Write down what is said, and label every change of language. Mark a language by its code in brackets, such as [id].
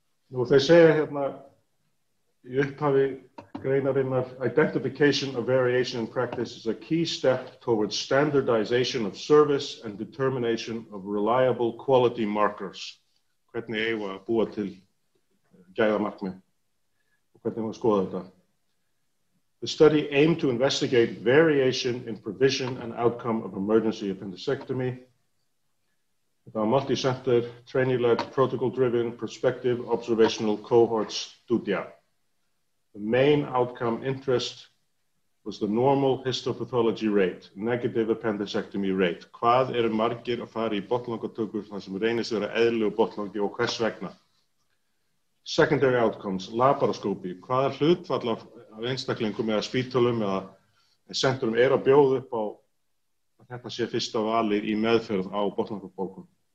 [is] Nú þeir segja hérna í upphafi greinarinnar [en] Identification of Variation in Practice is a key step towards standardization of service and determination of reliable quality markers. [is] Hvernig eigum við að búa til gæðamarkmið og hvernig eigum við að skoða þetta. [en] The study aimed to investigate variation in provision and outcome of emergency appendicectomy. [is] Þetta var [en] multi-center, trainee-led, protocol-driven, prospective, observational cohort studia. The main outcome interest was the normal histopathology rate, negative appendicectomy rate. [is] Hvað eru margir að fara í botnlangatökur þar sem reynist vera eðlilegur botnlangi og hvers vegna? [en] Secondary outcomes, [is] laparoskópi. Hvað er hlutfall af einstaklingum eða spítölum eða centrum eru að bjóða upp á að þetta sé fyrsta valið í meðferð á botnlangabólgum?